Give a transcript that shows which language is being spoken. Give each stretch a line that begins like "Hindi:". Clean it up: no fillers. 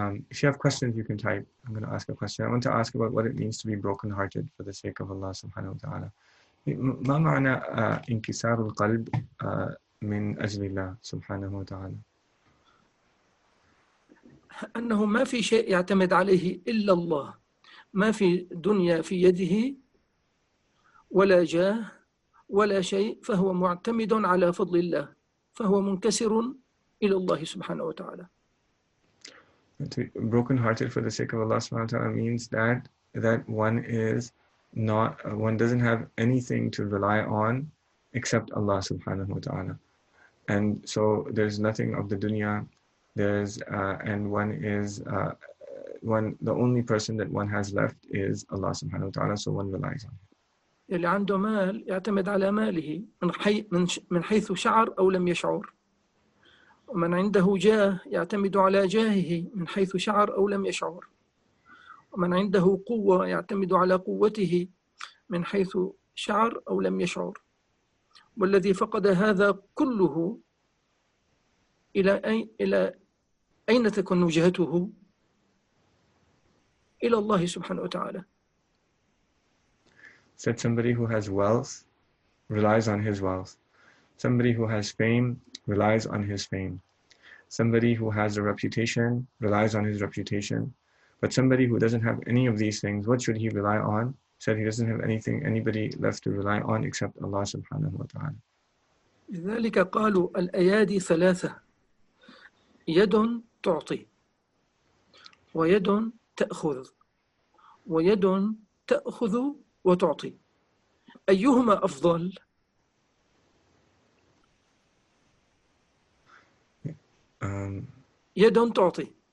English: If you have questions, you can type. I'm going to ask a question. I want to ask about what it means to be brokenhearted for the sake of Allah subhanahu wa ta'ala.
Arabic: ما معنى انكسار القلب من أجل الله سبحانه وتعالى؟ أنه ما في شيء يعتمد عليه إلا الله، ما في دنيا في يده ولا جاه ولا شيء، فهو معتمد على فضل الله، فهو منكسر إلى الله سبحانه وتعالى.
English: Brokenhearted for the sake of Allah subhanahu wa ta'ala means that one is not, one doesn't have anything to rely on except Allah subhanahu wa ta'ala. And so there's nothing of the dunya. There's and one is one. The only person that one has left is Allah Subhanahu Wa Taala. So one relies on him.
Arabic: يلي عنده مال يعتمد على ماله من حيث شعر أو لم يشعر. ومن عنده جاه يعتمد على جاهه من حيث شعر أو لم يشعر. ومن عنده قوة يعتمد على قوته من حيث شعر أو لم يشعر. والذي فقد هذا كله إلى أين تكون وجهته؟ إلى الله سبحانه وتعالى.
English: Said somebody who has wealth relies on his wealth. Somebody who has fame relies on his fame. Somebody who has a reputation relies on his reputation. But somebody who doesn't have any of these things, what should he rely on? Said he doesn't have anybody left to rely on except Allah subhanahu wa ta'ala.
Arabic: لذلك قالوا الأيادي ثلاثة، يد تعطي، ويد تأخذ، ويد تأخذ وتعطي، أيهما أفضل؟ يد تعطي.